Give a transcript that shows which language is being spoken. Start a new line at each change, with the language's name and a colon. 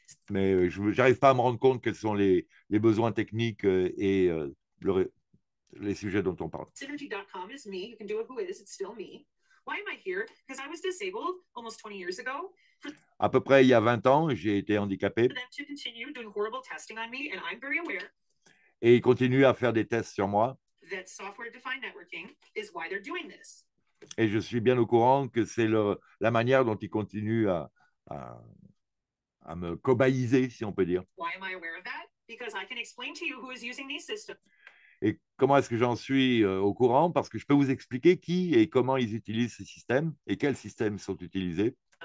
French: Mais je n'arrive pas à me rendre compte quels sont les besoins techniques et les sujets dont on parle.
English: Synergy.com is me. You can do it who is. It's still me. Why am I here? Because I was disabled almost 20 years ago.
French: À peu près il y a 20 ans, j'ai été handicapé.
English: To continue doing horrible testing on me, and I'm very aware.
French: Et ils continuent à faire des tests sur moi.
English: That software-defined networking is why they're doing this.
French: Et je suis bien au courant que c'est la manière dont ils continuent à me cobayiser, si on peut dire.
English: Why am I aware of that? Because I can explain to you who is using these systems.
French: Et comment est-ce que j'en suis au courant? Parce que je peux vous expliquer qui et comment ils utilisent ces systèmes et quels systèmes sont utilisés.